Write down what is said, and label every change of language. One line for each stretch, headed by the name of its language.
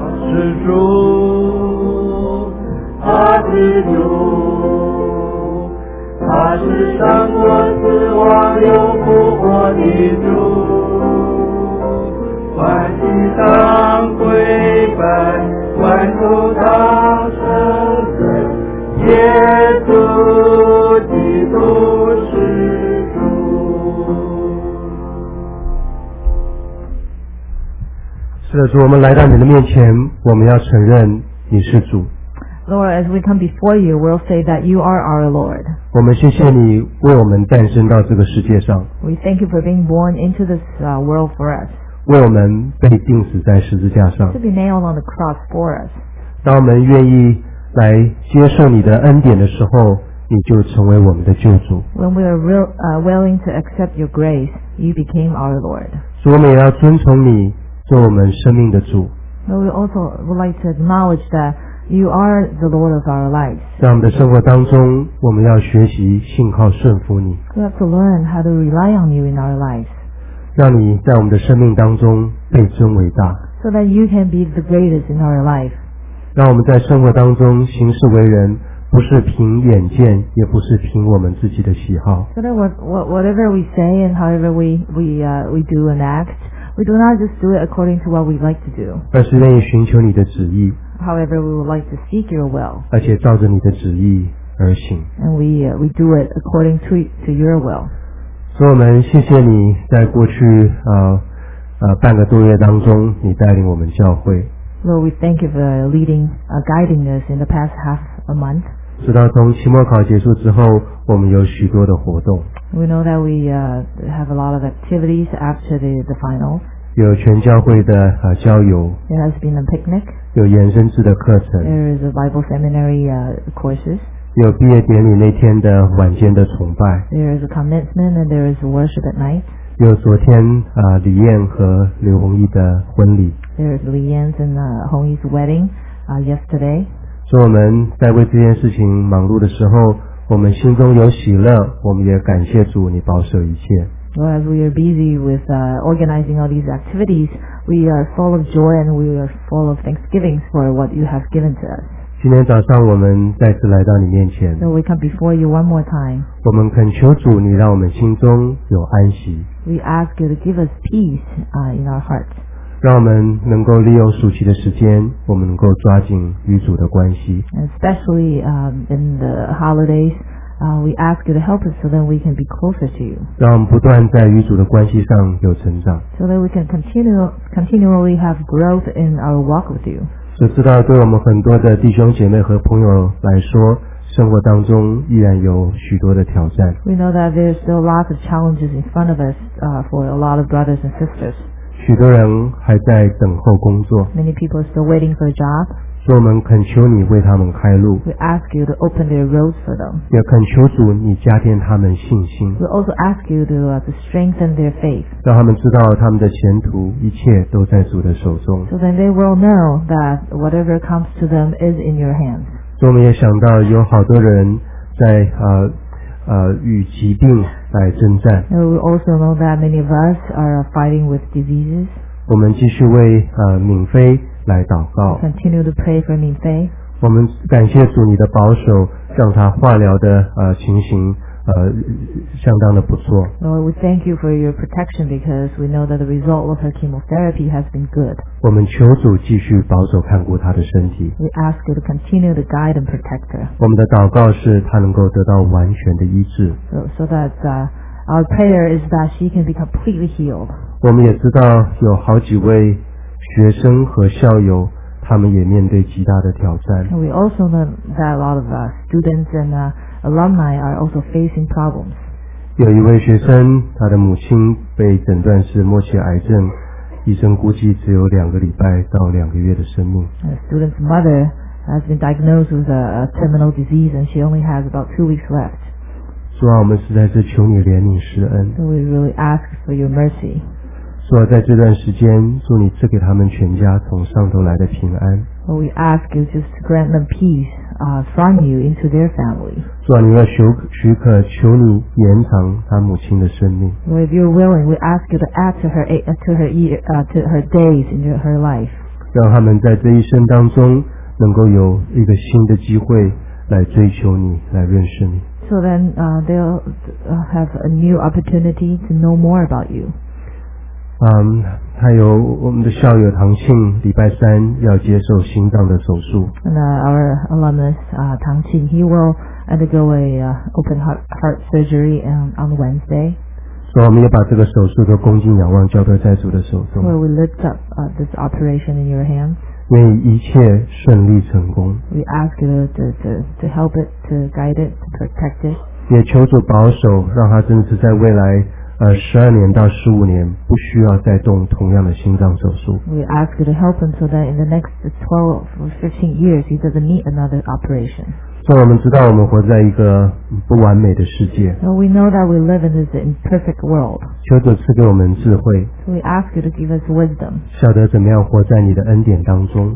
Chinese: 是主，他是主，他是生过死亡又复活的主，万膝当跪拜，万头当承认，耶稣基督是主。是的主，我们来到你的面前，我们要承认你是主。
English: Lord, as we come before you, we'll say that you are our Lord.
Chinese: 我们谢谢你为我们诞生到这个世界上。
English: We thank you for being born into this world for us.
Chinese: 为我们被钉死在十字架上。
English: To be nailed on the cross for us.
Chinese: 当我们愿意来接受你的恩典的时候，你就成为我们的救主。
English: When we are willing to accept your grace, you became our Lord.
Chinese: 所以我们也要遵从你做我们生命的主。
English: But we also would like to acknowledge that you are the Lord of our lives.
Chinese: 在我们的生活当中，我们要学习信靠顺服你。
English: We have to learn how to rely on you in our lives.
Chinese: 让你在我们的生命当中被尊伟大。
English: So that you can be the greatest in our life.
Chinese: 让我们在生活当中行事为人，不是凭眼见，也不是凭我们自己的喜好。
English: So that whatever we say and however we do and act,We do not just do it according to what we like to do.
Chinese: 而是愿意寻求你的旨意。
English: However, we would like to seek your will.
Chinese: 而且照着你的旨意而行。
English: And we do it according to your will.
Chinese: 所以我们谢谢你在过去半个多月当中，你带领我们教会。
English: Lord, we thank you for leading, guiding us in the past half a month.
Chinese: 直到从期末考结束之后，我们有许多的活动。
English: We know that we have a lot of activities after the finals.
Chinese: 有全教会的郊游。
English: There has been a picnic.
Chinese: 有延伸制的课程。
English: There is a Bible seminary courses.
Chinese: 有毕业典礼那天的晚间的崇拜。
English: There is a commencement and there is worship at night.
Chinese: 有昨天李燕和刘红一的婚礼。
English: There is Li Yan's and Hong Yi's wedding yesterday.
Chinese: 所以我们在为这件事情忙碌的时候，我们心中有喜乐，我们也感谢主，你保守一切。
English: Well, as we are busy with organizing all these activities, we are full of joy and we are full of thanksgiving for what you have given to us.
Chinese: 今天早上我们再次来到你面前。
English: So we come before you one more time.
Chinese: 我们恳求主，你让我们心中有安息。
English: We ask you to give us peace in our hearts.
Chinese: 让我们能够利用暑期的时间，我们能够抓紧与主的关系。
English: Especially in the holidays, we ask you to help us so that we can be closer to you.
Chinese: 让我们不断在与主的关系上有成长。
English: So that we can continually have growth in our walk with you.
Chinese: 所知道对我们很多的弟兄姐妹和朋友来说，生活当中依然有许多的挑战。
English: We know that there are still lots of challenges in front of us, for a lot of brothers and sisters.
Chinese: 许多人还在等候工作。
English: Many people are still waiting for a job.
Chinese: 所以我们恳求你为他们开路。
English: We ask you to open their roads for them.
Chinese: 也恳求主你加添他们信心。
English: We also ask you to strengthen their faith.
Chinese: 让他们知道他们的前途一切都在主的手中。
English: So then they will know that whatever comes to them is in your hands.
Chinese: 所以我们也想到有好多人在与疾病来征战。
English: And we also know that many of us are fighting with diseases.
Chinese: 我们继续为敏飞来祷告。
English: Continue to pray for Minfei.
Chinese: 我们感谢主你的保守，让他化疗的情形相当的不错。
English: Lord, we thank you for your protection because we know that the result of her chemotherapy has been good.
Chinese: 我们求主继续保守看顾他的身体。
English: We ask you to continue to guide and protect her.
Chinese: 我们的祷告是他能够得到完全的医治。
English: So that our prayer is that she can be completely healed.
Chinese: 我们也知道有好几位学生和校友，他们也面对极大的挑战。
English: We also know that a lot of students and alumni are also facing problems.
Chinese: 有一位学生，他的母亲被诊断是末期癌症，医生估计只有两个礼拜到两个月的生命。
English: A student's mother has been diagnosed with a terminal disease, and she only has about 2 weeks left.
Chinese: 主啊，我们实在是求你怜悯施恩。
English: We really ask for your mercy.
Chinese: 主啊，在这段时间，祝你赐给他们全家从上头来的平安。
English: We ask you just to grant them peace, from you into their family.
Chinese: 主啊，你若许可，求你延长他母亲的生命。
English: Well, if you're willing, we ask you to add to her days in her life.
Chinese: 让他们在这一生当中能够有一个新的机会来追求你，来认识你。
English: So then, they'll have a new opportunity to know more about you.
Chinese: 还有我们的校友唐庆，礼拜三要接受心脏的手术。
English: And our alumnus, 唐庆, he will undergo a open heart surgery on Wednesday.
Chinese: 所以我们也把这个手术的恭敬仰望交托在主的手中。
English: Well, we lift up this operation in your hands.
Chinese: 愿一切顺利成功。
English: We ask you to help it, to guide it, to protect it.
Chinese: 也求主保守，让他真的是在未来12年到15年不需要再动同样的心脏手术。
English: We ask you to help him so that in the next 12 or 15 years he doesn't need another operation.
Chinese: 所以我们知道我们活在一个不完美的世界。
English: So we know that we live in this imperfect world.
Chinese: 求主赐给我们智慧。
English: So we ask you to give us wisdom.
Chinese: 晓得怎么样活在你的恩典当中。